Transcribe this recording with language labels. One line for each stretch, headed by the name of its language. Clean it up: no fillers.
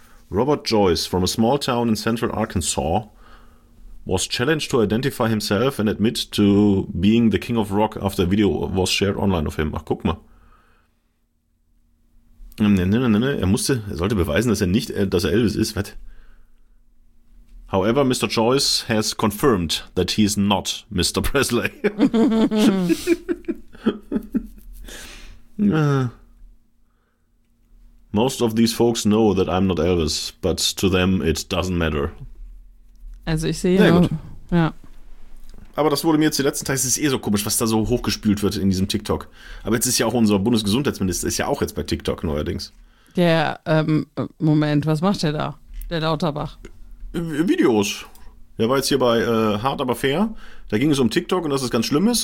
English: Robert Joyce from a small town in central Arkansas was challenged to identify himself and admit to being the king of rock after a video was shared online of him.
German: Ach, guck mal. Nee. Er sollte beweisen, dass er Elvis ist.
English: What? However, Mr. Joyce has confirmed that he is not Mr. Presley. Most of these folks know that I'm not Elvis, but to them it doesn't matter.
German: Also ich sehe ja. Aber das wurde mir jetzt die letzten Tage, es ist eh so komisch, was da so hochgespült wird in diesem TikTok. Aber jetzt ist ja auch unser Bundesgesundheitsminister, ist ja auch jetzt bei TikTok neuerdings. Der, Moment, was macht der da? Der Lauterbach. Videos. Der war jetzt hier bei Hart aber fair. Da ging es um TikTok und dass es ganz schlimm ist.